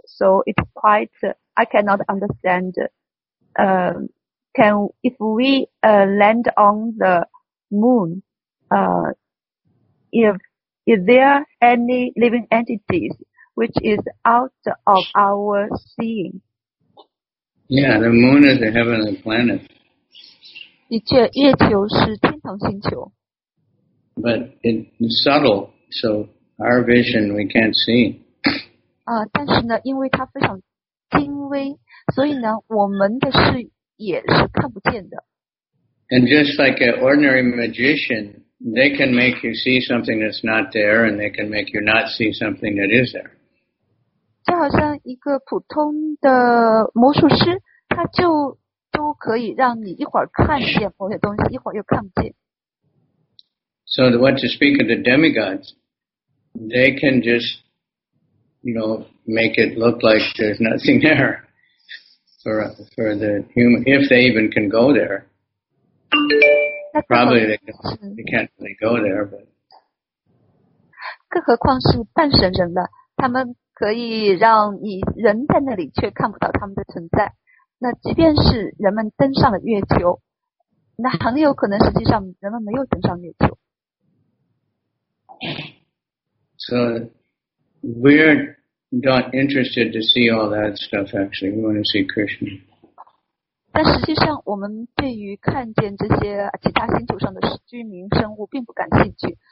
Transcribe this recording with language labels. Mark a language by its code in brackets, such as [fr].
[en] So it's quite, I cannot understand. If we land on the moon, is there any living entities which is out of our seeing? Yeah, the moon is a heavenly planet. [zh] 的确，月球是天堂星球。 [en] But it's subtle, so our vision we can't see. [zh] 啊，但是呢，因为它非常精微，所以呢，我们的视野是看不见的。 [en] And just like an ordinary magician, they can make you see something that's not there, and they can make you not see something that is there. [zh] 就好像一个普通的魔术师，他就都可以让你一会儿看见某些东西，一会儿又看不见。 [en] So the one to speak of the demigods, they can just, you know, make it look like there's nothing there for the human, if they even can go there. Probably they can't really go there, but. [zh] 更何况是半神人了，他们。可以让你人在那里却看不到他们的存在。那即便是人们登上了月球，那很有可能实际上人们没有登上月球。 [en] So we're not interested to see all that stuff actually. We want to see Krishna. [zh] 但实际上我们对于看见这些其他星球上的居民生物并不感兴趣。